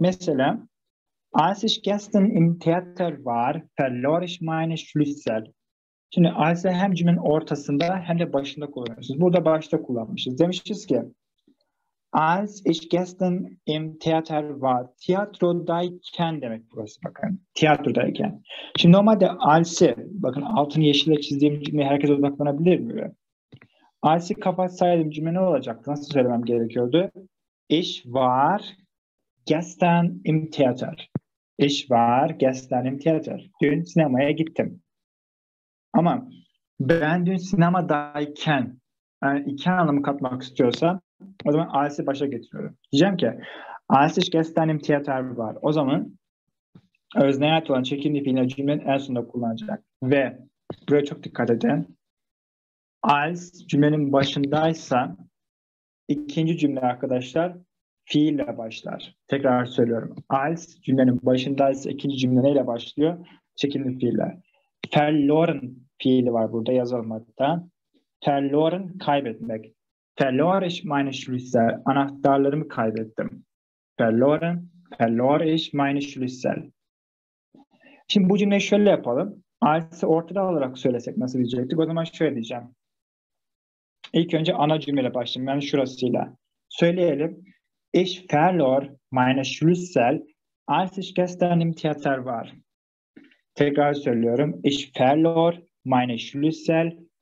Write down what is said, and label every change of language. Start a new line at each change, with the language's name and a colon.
German: Mesela als ich gestern im Theater war, verlor ich meine Schlüssel.
Turkish: Şimdi als'ı hem cümlenin ortasında hem de başında kullanıyoruz. Burada başta kullanmışız. Demişiz ki
German: als ich gestern im Theater war,
Turkish: tiyatrodayken demek burası bakın. Tiyatrodayken. Şimdi normalde als'ı, bakın altını yeşille çizdiğim cümleye herkes odaklanabilir mi? Als'ı kapatsaydım cümle ne olacaktı? Nasıl söylemem gerekiyordu?
German: Ich war gestern im Theater. Ich war gestern im Theater.
Turkish: Dün sinemaya gittim. Ama ben dün sinemadayken, yani iki anlamı katmak istiyorsa, o zaman als'ı başa getiriyorum. Diyeceğim ki,
German: als ich gestern im Theater war.
Turkish: O zaman özneye ait olan çekimli fiilini cümlenin en sonunda kullanacak. Ve buraya çok dikkat edin. Als cümlenin başındaysa, ikinci cümle arkadaşlar fiille başlar. Tekrar söylüyorum. Als cümlenin başındaysa ikinci cümle neyle başlıyor? Çekimli fiille. Verloren fiili var burada yazalım hatta. Verloren kaybetmek.
German: Verlor ich meine Schlüssel.
Turkish: Anahtarlarımı kaybettim.
German: Verloren. Verlor ich meine Schlüssel.
Turkish: Şimdi bu cümleyi şöyle yapalım. Als'ı ortada olarak söylesek nasıl diyecektik? O zaman şöyle diyeceğim. İlk önce ana cümleyle başlayayım. Yani şurasıyla. Söyleyelim.
German: Ich verlor meine Schlüssel. Als ich gestern im Theater war.
Turkish: Tekrar söylüyorum.
German: Ich verlor meine Schlüssel.